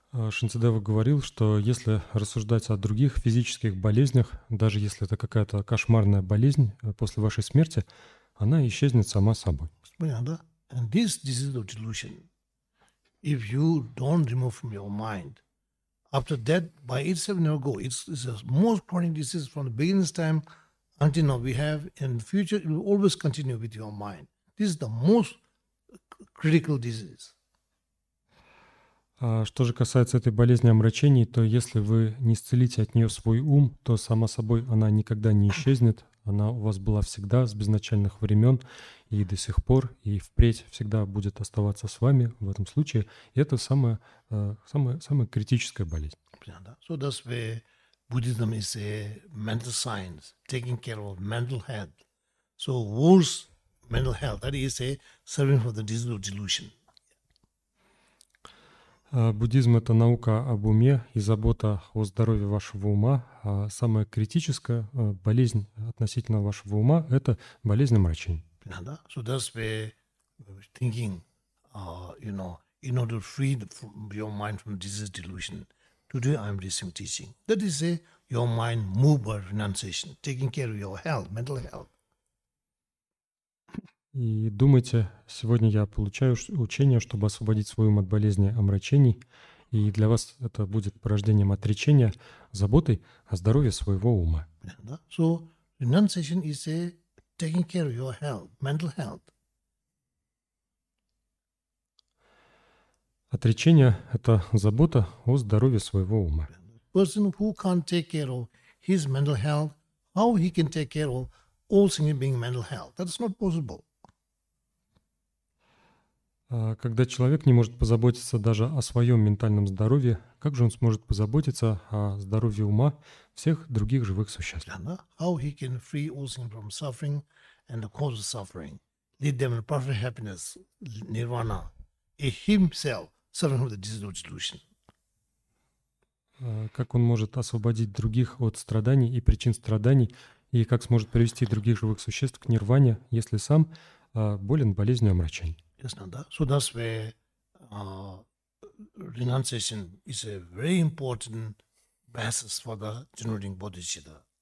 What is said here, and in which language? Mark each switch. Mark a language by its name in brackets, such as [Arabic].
[Russian] Шантидева говорил, что если рассуждать о других физических болезнях, даже если это какая-то кошмарная болезнь после вашей смерти, она исчезнет сама собой. Понятно, да? [English] And this disease of delusion, if you don't remove from your mind, after that, by itself, never go. It's the most chronic disease from the beginning time until now we have. In the future, it will always continue with your mind. This is the most critical disease. [Russian] Что же касается этой болезни омрачений, то если вы не исцелите от нее свой ум, то сама собой она никогда не исчезнет. Она у вас была всегда с безначальных времен и до сих пор, и впредь всегда будет оставаться с вами в этом случае. И это самая критическая болезнь. [English] So that's why Buddhism is a mental science, taking care of mental health. So worse mental health, that is a serving for the disease of delusion. [Russian] Буддизм — это наука об уме и забота о здоровье вашего ума. А самая критическая болезнь относительно вашего ума — это болезнь омрачений. Да, да. [English] So that's where I was thinking, in order to free your mind from disease delusion, today I'm receiving teaching. That is, your mind moved by renunciation, taking care of your health, mental health. [Russian] И думайте, сегодня я получаю учение, чтобы освободить свой ум от болезни омрачений, и для вас это будет порождением отречения, заботой о здоровье своего ума. [English] So, renunciation is a taking care of your health, mental health. [Russian] Отречение – это забота о здоровье своего ума. [English] Person who can't take care of his mental health, how he can take care of all single being mental health? That's not possible. [Russian] Когда человек не может позаботиться даже о своем ментальном здоровье, как же он сможет позаботиться о здоровье ума всех других живых существ? [English] How he can free all things from suffering and the cause of suffering, lead them to perfect happiness, nirvana, himself suffering from the disease of delusion? [Russian] Как он может освободить других от страданий и причин страданий, и как сможет привести других живых существ к нирване, если сам болен болезнью омрачений? [English] Yes, Nanda. So that's where renunciation is a very important basis for the generating bodhicitta.